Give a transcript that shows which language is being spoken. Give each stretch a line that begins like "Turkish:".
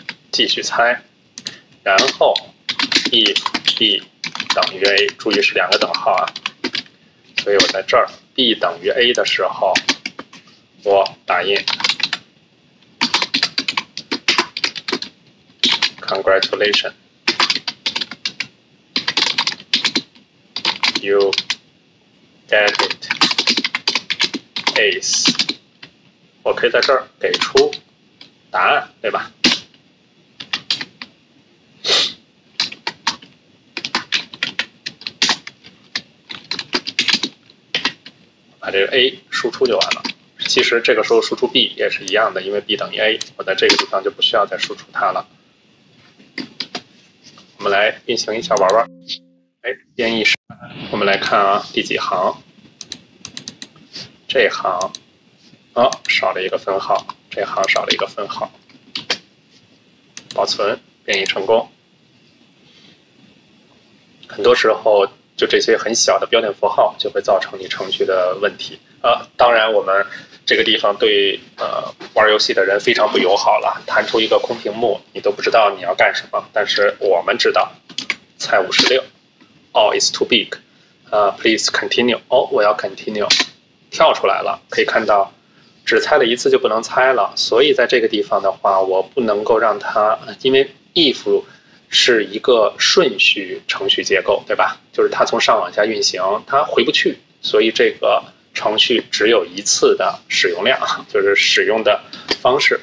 Chinese: 继续猜，然后 if b 等于 a， 注意是两个等号啊，所以我在这儿 b 等于 a 的时候，我打印。
English: Congratulations, you get it. Ace.
Chinese: 我可以在这儿给出答案，对吧？把这个 A 输出就完了。其实这个时候输出 B 也是一样的，因为 B 等于 A， 我在这个地方就不需要再输出它了。我们来运行一下玩玩。哎，编译是，我们来看啊，第几行，这行哦少了一个分号，这行少了一个分号，保存，编译成功。很多时候就这些很小的标点符号就会造成你程序的问题啊。当然我们这个地方对玩游戏的人非常不友好了，弹出一个空屏幕，你都不知道你要干什么。但是我们知道，猜五十六 ，
English: all is too big， please continue。
Chinese: 哦，我要 continue， 跳出来了，可以看到，只猜了一次就不能猜了。所以在这个地方的话，我不能够让它，因为 if 是一个顺序程序结构，对吧？就是它从上往下运行，它回不去，所以这个程序只有一次的使用量，就是使用的方式。